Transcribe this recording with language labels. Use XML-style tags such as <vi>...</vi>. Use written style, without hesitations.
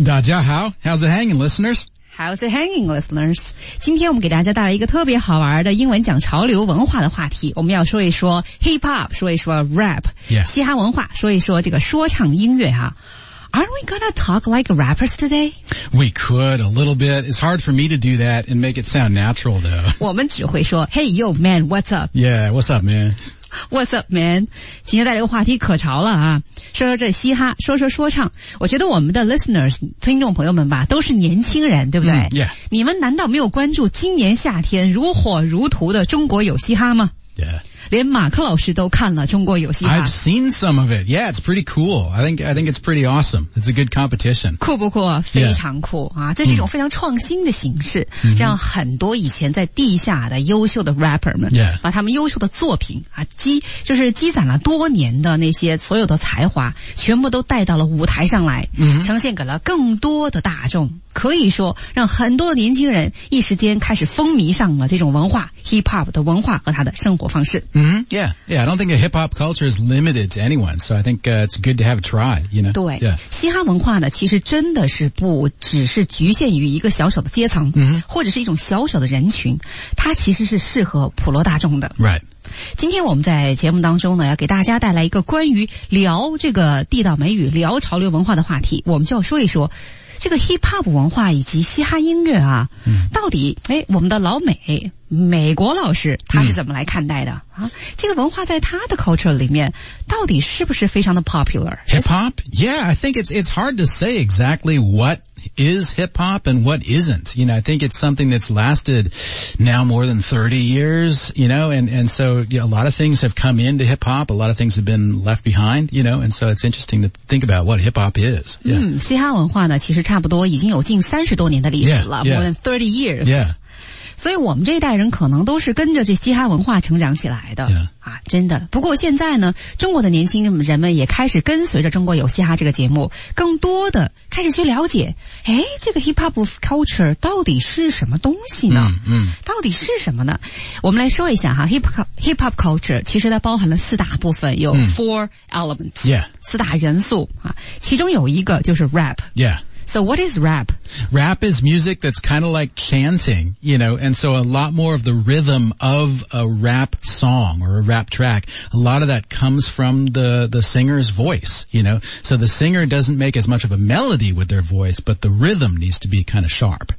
<zh>大家好，</zh> <en>How's it hanging listeners? How's it hanging, listeners?</en> <zh>今天我们给大家带来一个特别好玩的英文讲潮流文化的话题。我们要说一说 hip hop, 说一说 rap,、</zh> <en>yeah.</en> <zh>嘻哈文化，说一说这个说唱音乐啊。</zh> <en>Aren't we gonna talk like rappers today? We could a little bit. It's hard for me to do that and make it sound natural though.</en> <zh>我们只会说</zh> <en>hey yo man, what's up? Yeah, what's up man? What's up, man?</en> <zh>今天带来个话题可潮了啊！说说这嘻哈，说说说唱。我觉得我们的 listeners 听众朋友们吧，都是年轻人，对不对？</zh> <en>Mm, yeah.</en> <zh>你们难道没有关注今年夏天如火如荼的《中国有嘻哈》吗？</zh> <en>Yeah.</en> <zh>连马克老师都看了《中国有嘻哈》。</zh> <en>I've seen some of it. Yeah, it's pretty cool. I think it's pretty awesome. It's a good competition.</en> <zh>酷不酷？非常酷、yeah. 啊！这是一种非常创新的形式， mm-hmm. 让很多以前在地下的优秀的 rapper 们，</zh> <en>yeah.</en> <zh>把他们优秀的作品啊积攒了多年的那些所有的才华，全部都带到了舞台上来，</zh> <en>mm-hmm.</en> <zh>呈现给了更多的大众。可以说，让很多的年轻人一时间开始风靡上了这种文化 hip hop 的文化和他的生活方式。</zh> <en>Mm-hmm. Yeah, I don't think a hip hop culture is limited to anyone, so I think it's good to have a try, you know.</en> <zh>对、</zh> <en>yeah.</en> <zh>嘻哈文化呢其实真的是不只是局限于一个小小的阶层、</zh> <en>mm-hmm.</en> <zh>或者是一种小小的人群，它其实是适合普罗大众的。</zh> <en>Right.</en> <zh>今天我们在节目当中呢要给大家带来一个关于聊这个地道美语聊潮流文化的话题，我们就要说一说这个 hip hop 文化以及嘻哈音乐啊、嗯、到底诶我们的老美国老师他是怎么来看待的、嗯、啊这个文化在他的 culture 里面到底是不是非常的 popular?</zh> <en>Hip hop? Yeah, I think it's hard to say exactly what is hip hop and what isn't. You know, I think it's something that's lasted now more than 30 years, you know, and so you know, a lot of things have come into hip hop, a lot of things have been left behind, you know, and so it's interesting to think about what hip hop is. Yeah.</en> <zh>嘻哈文化呢其实差不多已经有近30多年的历史了</zh> <en>yeah, yeah. more than 30 years. Yeah.</en> <zh>所以我们这一代人可能都是跟着这嘻哈文化成长起来的、</zh> <en>yeah.</en> <zh>啊，真的。不过现在呢，中国的年轻人们也开始跟随着《中国有嘻哈》这个节目，更多的开始去了解，哎，这个 hip hop culture 到底是什么东西呢？嗯、到底是什么呢？我们来说一下哈 ，hip hop culture 其实它包含了四大部分，有</zh> <en>four elements，、 yeah.</en> <zh>四大元素啊，其中有一个就是 rap。</zh> <en>Yeah. So what is rap? Rap is music that's kind of like chanting, you know, and so a lot more of the rhythm of a rap song or a rap track, a lot of that comes from the singer's voice, you know. So the singer doesn't make as much of a melody with their voice, but the rhythm needs to be kind of sharp.</en>